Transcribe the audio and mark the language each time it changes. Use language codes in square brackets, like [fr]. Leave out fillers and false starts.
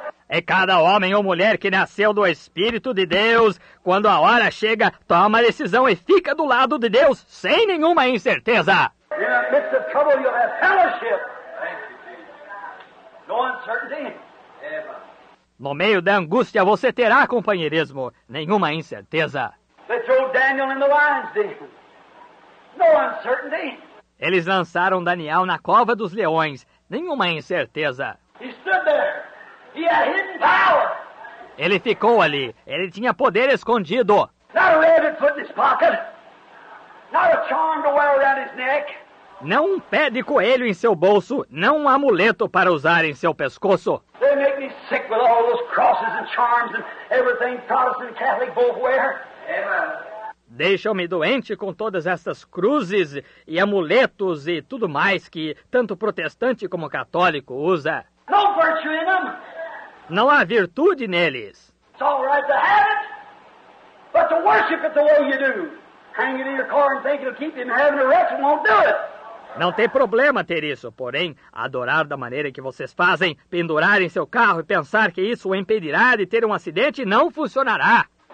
[pt] E cada homem ou mulher que nasceu do Espírito de Deus, quando a hora chega, toma a decisão e fica do lado de Deus sem nenhuma incerteza. [en] In the midst of trouble, you'll have fellowship. No uncertainty. [pt] No meio da angústia, você terá companheirismo. Nenhuma incerteza. [en] They threw Daniel in the lion's den. No uncertainty. [pt] Eles lançaram Daniel na cova dos leões. Nenhuma incerteza. [en] He stood there. He had hidden power. [pt] Ele ficou ali. Ele tinha poder escondido. [en] Not a rabbit foot in his pocket. Not a charm to wear around his neck. [pt] Não um pé de coelho em seu bolso, não um amuleto para usar em seu pescoço. [en] They make me sick with all those crosses and charms and everything Protestant and Catholic both wear. [pt] Deixam-me doente com todas essas cruzes e amuletos e tudo mais que tanto protestante como católico usa. [en] No virtue in them. [pt] Não há virtude neles. [en] It's all right to have it, but to worship it the way you do. Hang it in your car and think it'll keep you in heaven, the rest won't do it. [pt] Não tem problema ter isso, porém, adorar da maneira que vocês fazem, pendurar em seu carro e pensar que isso o impedirá de ter um acidente, não funcionará.